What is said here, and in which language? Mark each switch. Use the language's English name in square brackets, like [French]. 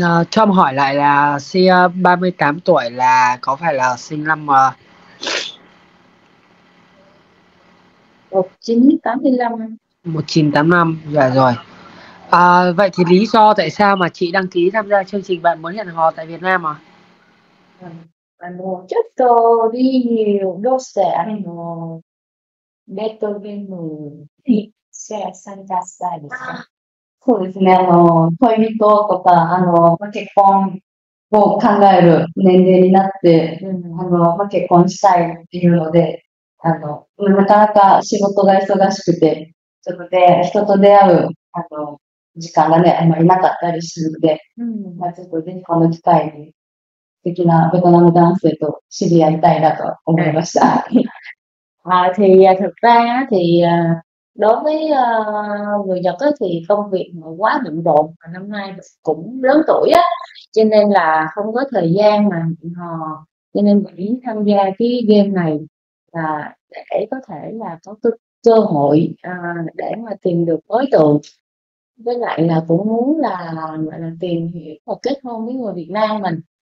[Vietnamese] Cho em hỏi lại là sinh 38 tuổi là có phải là sinh năm 1985. 1985? Dạ rồi. Vậy thì lý do tại sao mà chị đăng ký tham gia chương trình Bạn Muốn Hẹn Hò tại Việt Nam à? Chắc tôi đi nhiều đô xe ベトベムにシェアさせてください。 [Japanese] そうですね。恋人とか、結婚を考える年齢になって、結婚したいっていうので、なかなか仕事が忙しくて、ちょっとで、人と出会う、時間がね、あんまりなかったりするので、ちょっとぜひこの機会に素敵なベトナム男性と知り合いたいなと思いました。 [Vietnamese] Thì thực ra thì đối với người Nhật á, thì công việc mà quá bận rộn, và năm nay cũng lớn tuổi á, cho nên là không có thời gian mà hẹn hò, cho nên mình tham gia cái game này là để có thể là có cơ hội để mà tìm được đối tượng, với lại là cũng muốn là tìm hiểu và kết hôn với người Việt Nam mình.